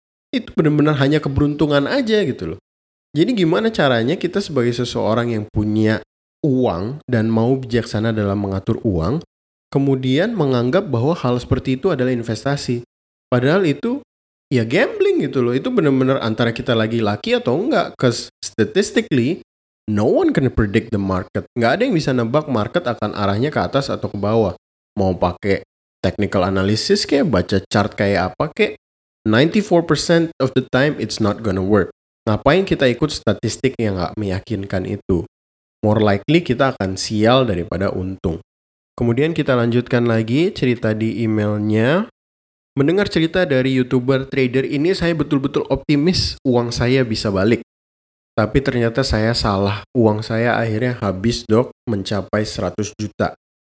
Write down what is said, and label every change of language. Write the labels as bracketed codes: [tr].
[id] Itu benar-benar hanya keberuntungan aja gitu loh. Jadi gimana caranya kita sebagai seseorang yang punya uang dan mau bijaksana dalam mengatur uang, kemudian menganggap bahwa hal seperti itu adalah investasi. Padahal itu ya gambling gitu loh, itu benar-benar antara kita lagi laki atau enggak. [en] Because statistically, no one can predict the market. [id] Nggak ada yang bisa nebak market akan arahnya ke atas atau ke bawah. Mau pakai technical analysis kayak baca chart kayak apa kayak, [en] 94% of the time it's not gonna work. [id] Ngapain kita ikut statistik yang nggak meyakinkan itu? [en] More likely [id] kita akan sial daripada untung. Kemudian kita lanjutkan lagi cerita di emailnya. Mendengar cerita dari YouTuber trader ini, saya betul-betul optimis uang saya bisa balik. Tapi ternyata saya salah, uang saya akhirnya habis dok mencapai 100 juta.